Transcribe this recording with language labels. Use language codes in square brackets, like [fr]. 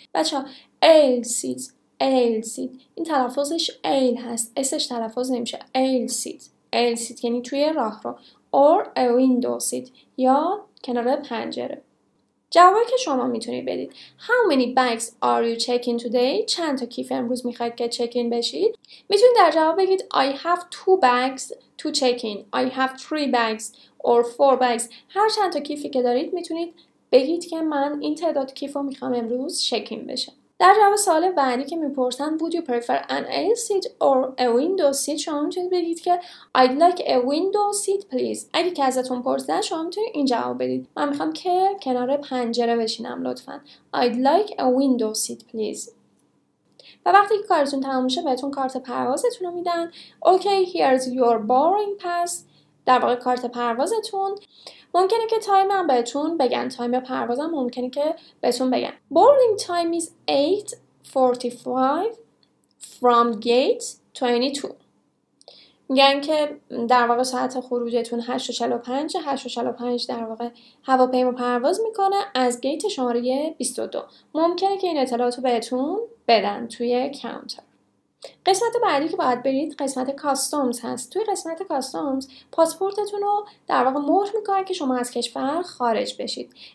[fa] بچه‌ها aisle seat این تلفظش ایل هست، اسش تلفظ نمیشه. aisle seat یعنی توی راهرو. [en] or a window seat [fa] یا کنار پنجره. جوابی که شما میتونید بدید: [en] How many bags are you checking today؟ [fa] چند تا کیف امروز میخواید که چکین بشید؟ میتونید در جواب بگید [en] I have 2 bags to check in. I have 3 bags or 4 bags. [fa] هر چند تا کیفی که دارید میتونید بگید که من این تعداد کیفو میخوام امروز چکین بشه. در جواب سوال بعدی که میپرسن [en] Would you prefer an aisle seat or a window seat؟ [fa] شما میتونید بگید که [en] I'd like a window seat please. [fa] اگه که ازتون پرسن شما میتونید این جواب بدید: من میخوام که کنار پنجره بشینم لطفاً. [en] I'd like a window seat please. [fa] و وقتی که کارتون تموم شه بهتون کارت پروازتون رو میدن. [en] Okay, here's your boarding pass. [fa] در واقع کارت پروازتون. ممکنه که تایم هم بهتون بگن، تایم پرواز هم ممکنه که بهتون بگن. [en] Boarding time is 8:45 from gate 22. [fa] میگن که در واقع ساعت خروجتون 8:45، 8:45 در واقع هواپیما پرواز میکنه از گیت شماره 22. ممکنه که این اطلاعاتو بهتون بدن توی کانتر. قسمت بعدی که باید برید قسمت کاستومز هست. توی قسمت کاستومز پاسپورتتون رو در واقع مهر میکنه که شما از کشور خارج بشید.